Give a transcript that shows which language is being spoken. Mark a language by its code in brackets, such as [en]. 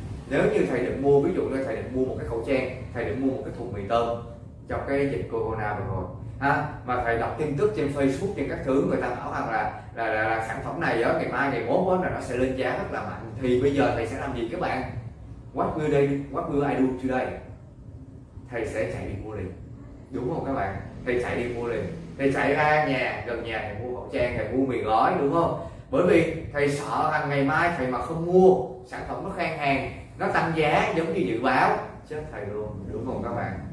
[vi] Nếu như thầy định mua, ví dụ như thầy định mua một cái khẩu trang, thầy định mua một cái thùng mì tôm trong cái dịch corona vừa rồi ha, mà thầy đọc tin tức trên Facebook, trên các thứ người ta bảo rằng là sản phẩm này đó, ngày mai, ngày mốt đó, là nó sẽ lên giá rất là mạnh, thì bây giờ thầy sẽ làm gì các bạn? [en] What will they, what will I do today? [vi] Thầy sẽ chạy đi mua liền, đúng không các bạn? Thầy chạy đi mua liền, thầy chạy ra nhà gần nhà thầy mua khẩu trang, thầy mua mì gói, đúng không? Bởi vì thầy sợ rằng ngày mai thầy mà không mua sản phẩm nó khan hàng, nó tăng giá giống như dự báo, chết thầy luôn, đúng không các bạn?